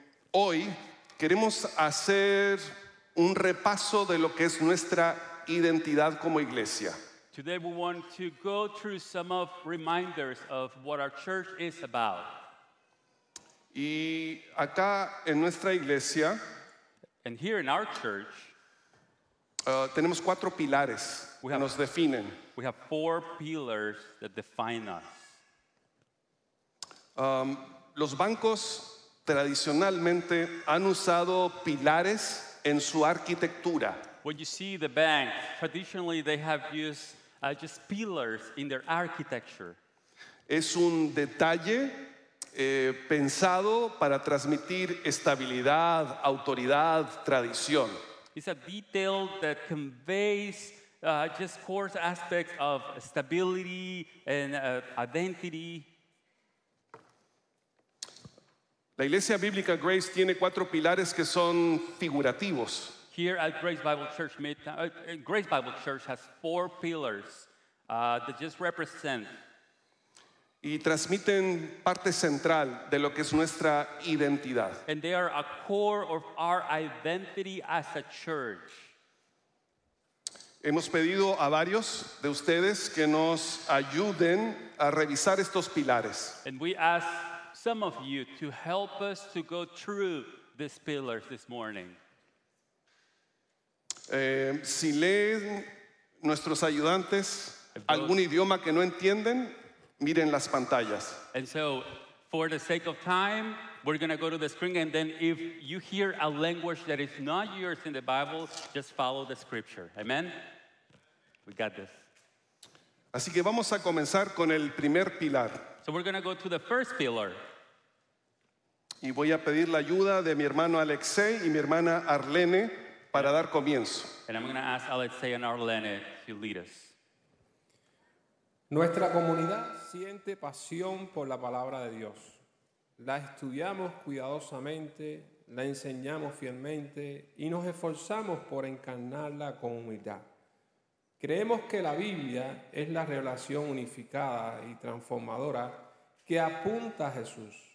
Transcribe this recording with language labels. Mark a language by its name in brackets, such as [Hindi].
[Spanish] Hoy queremos hacer un repaso de lo que es nuestra identidad como iglesia. [English] Today we want to go through some of reminders of what our church is about. [Spanish] Y acá en nuestra iglesia, [English] and here in our church, [Spanish] tenemos cuatro pilares que nos definen. [English] We have four pillars that define us. [Spanish] Los bancos tradicionalmente han usado pilares en su arquitectura. [English] When you see the bank, traditionally they have used just pillars in their architecture. [Spanish] Es un detalle pensado para transmitir estabilidad, autoridad, tradición. [English] It's a detail that conveys just core aspects of stability and identity. [Spanish] La Iglesia Bíblica Grace tiene cuatro pilares que son figurativos. [English] Here at Grace Bible Church, Grace Bible Church has four pillars that just represent. [Spanish] Y transmiten parte central de lo que es nuestra identidad. [English] And they are a core of our identity as a church. [Spanish] Hemos pedido a varios de ustedes que nos ayuden a revisar estos pilares. [English] And we ask some of you to help us to go through these pillars this morning. [Spanish] Si leen nuestros ayudantes algún idioma que no entienden, miren las pantallas. [English] And so, for the sake of time, we're going to go to the screen, and then if you hear a language that is not yours in the Bible, just follow the scripture. Amen? We got this. [Spanish] Así que vamos a comenzar con el primer pilar. [English] So we're going to go to the first pillar. [Spanish] Y voy a pedir la ayuda de mi hermano Alexei y mi hermana Arlene para dar comienzo. [English] And I'm going to ask Alexei and Arlene to lead us. [Spanish] Nuestra comunidad siente pasión por la palabra de Dios. La estudiamos cuidadosamente, la enseñamos fielmente y nos esforzamos por encarnarla con humildad. Creemos que la Biblia es la revelación unificada y transformadora que apunta a Jesús.